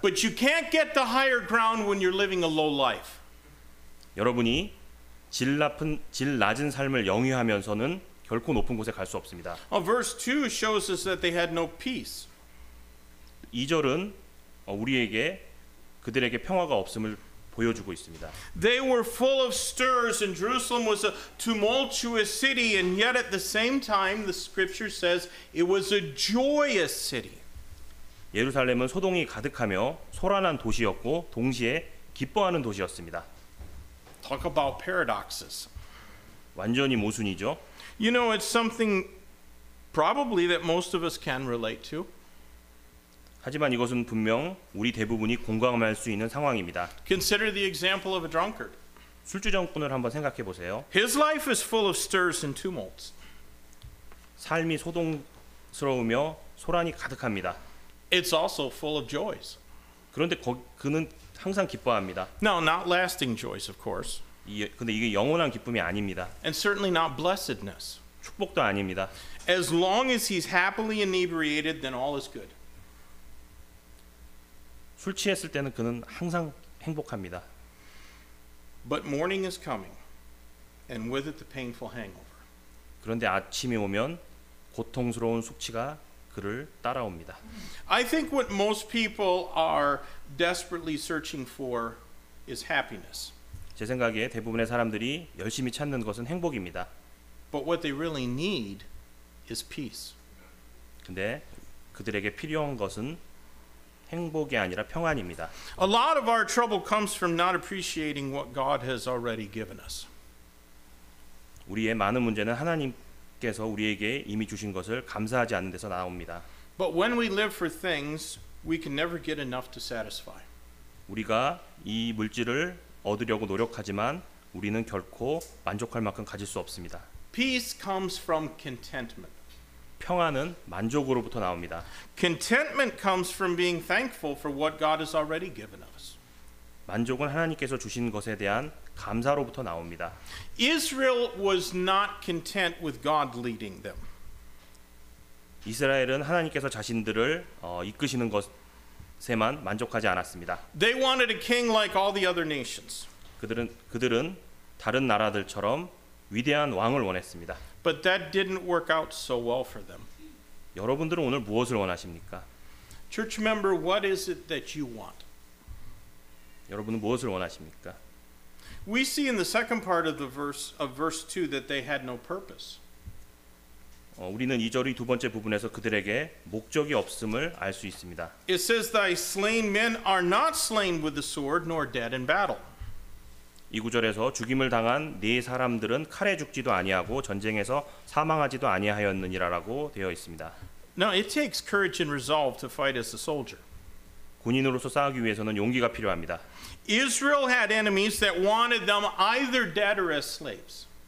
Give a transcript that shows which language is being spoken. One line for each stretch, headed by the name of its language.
English: But you can't get the higher ground when you're living a low life.
Korean: 여러분이 질 낮은 삶을 영위하면서는 결코 높은 곳에 갈 수 없습니다.
English: Verse 2 shows us that they had no peace.
Korean: 2절은 우리에게 그들에게 평화가 없음을 보여주고 있습니다.
English: They were full of stirs and Jerusalem was a tumultuous city and yet at the same time the scripture says it was a joyous city.
Korean: 예루살렘은 소동이 가득하며 소란한 도시였고 동시에 기뻐하는 도시였습니다.
English: Talk about paradoxes.
Korean: 완전히 모순이죠.
English: You know, it's something probably that most of us can relate to.
Korean: 하지만 이것은 분명 우리 대부분이 공감할 수 있는 상황입니다.
English: Consider the example of a drunkard.
Korean: 술주정꾼을 한번 생각해 보세요.
English: His life is full of stirs and tumults.
Korean: 삶이 소동스러우며 소란이 가득합니다.
English: It's also full of joys.
Korean: 그런데 그는 항상 기뻐합니다.
English: No, not lasting joys, of course.
Korean: 근데 이게 영원한 기쁨이 아닙니다.
English: And certainly not blessedness.
Korean: 축복도 아닙니다.
English: As long as he's happily inebriated, then all is good.
Korean: 술 취했을 때는 그는 항상 행복합니다.
English: But morning is coming, and with it the painful hangover.
Korean: 그런데 아침이 오면 고통스러운 숙취가 그를 따라옵니다.
English: I think what most people are desperately searching for is happiness.
Korean: 제 생각에 대부분의 사람들이 열심히 찾는 것은 행복입니다.
English: But what they really need is peace.
Korean: 근데 그들에게 필요한 것은 행복이 아니라 평안입니다.
English: A lot of our trouble comes from not appreciating what God has already given us.
Korean: 우리의 많은 문제는 하나님 께서 우리에게 이미 주신 것을 감사하지 않는 데서 나옵니다.
English: But when we live for things, we can never get enough to satisfy.
Korean: 우리가 이 물질을 얻으려고 노력하지만 우리는 결코 만족할 만큼 가질 수 없습니다.
English: Peace comes from contentment.
Korean: 평안은 만족으로부터 나옵니다.
English: Contentment comes from being thankful for what God has already given us.
Korean: 만족은 하나님께서 주신 것에 대한 감사로부터 나옵니다.
English: Israel was not content with God leading them.
Korean: 이스라엘은 하나님께서 자신들을 이끄시는 것에만 만족하지 않았습니다.
English: They wanted a king like all the other nations.
Korean: 그들은 다른 나라들처럼 위대한 왕을 원했습니다.
English: But that didn't work out so well for them.
Korean: 여러분들은 오늘 무엇을 원하십니까?
English: Church member, what is it that you want?
Korean: 여러분은 무엇을 원하십니까?
English: We see in the second part of the verse of verse 2 that they had no purpose.
Korean: 우리는 2절의 두 번째 부분에서 그들에게 목적이 없음을 알 수 있습니다.
English: It says thy slain men are not slain with the sword nor dead in battle.
Korean: 이 구절에서 죽임을 당한 네 사람들은 칼에 죽지도 아니하고 전쟁에서 사망하지도 아니하였느니라라고 되어 있습니다.
English: Now it takes courage and resolve to fight as a soldier.
Korean: 군인으로서 싸우기 위해서는 용기가 필요합니다.
English: Israel had enemies that wanted them either dead or as slaves.